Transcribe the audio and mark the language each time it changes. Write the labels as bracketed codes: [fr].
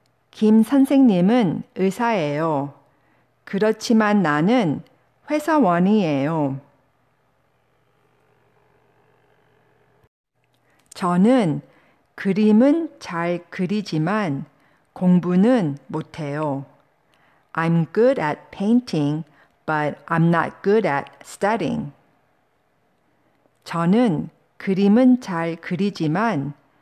[ko] 김 선생님은 의사예요. 그렇지만 나는 회사원이에요. 저는 그림은 잘 그리지만 공부는 못해요. [en] I'm good at painting, but I'm not good at studying. [ko] 저는 그림은 잘 그리지만